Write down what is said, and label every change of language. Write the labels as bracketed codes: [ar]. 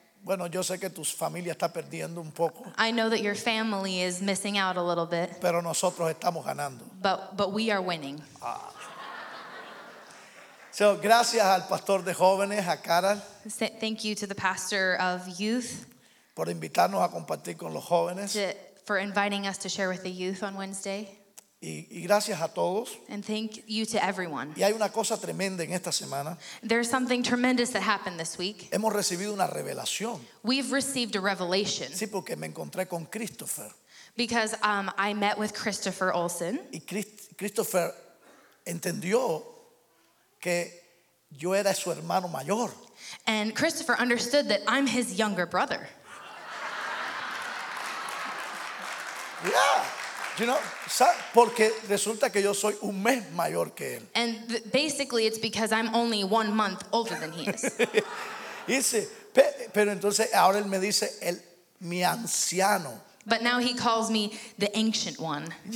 [es] Bueno, yo sé que tu familia está perdiendo un poco. [en] I know that your family is missing out a little bit. [es] Pero nosotros estamos ganando. [en] But we are winning. Ah. [es] So, gracias al pastor de jóvenes, a Karen. [en] Thank you to the pastor of youth. [es] Por invitarnos a compartir con los jóvenes. [en] For inviting us to share with the youth on Wednesday. [es] Y gracias a todos. [en] And thank you to everyone. [es] Y hay una cosa tremenda en esta semana. [en] There's something tremendous that happened this week. [es] Hemos recibido una revelación. [en] We've received a revelation. [es] Sí, porque me encontré con Christopher. [en] Because I met with Christopher Olsen. [es] Y Christopher entendió que yo era su hermano mayor. [en] And Christopher understood that I'm his younger brother. Yeah. You know, [es] porque resulta que yo soy un mes mayor que él. [en] And basically it's because I'm only 1 month older than he is. [es] Pero entonces ahora él me dice el mi anciano. [en] But now he calls me the ancient one.